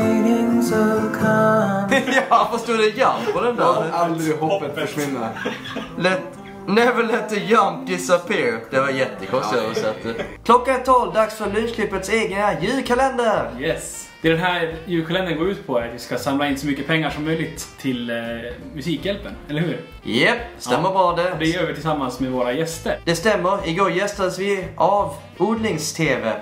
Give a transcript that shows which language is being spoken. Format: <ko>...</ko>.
<sv>Ja, vad står det jump på den där? Jag har aldrig hoppet försvinna.</sv> <en>Never let the jump disappear.</en> <sv>Det var jättekonstigt översatt. Klockan är 12, dags för Lysklippets egna julkalender. Yes. Det den här julkalendern går ut på är att vi ska samla in så mycket pengar som möjligt till Musikhjälpen, eller hur? Yep, stämmer bra det. Det gör vi tillsammans med våra gäster. Det stämmer, igår gästades vi av Odlings-TV.</sv>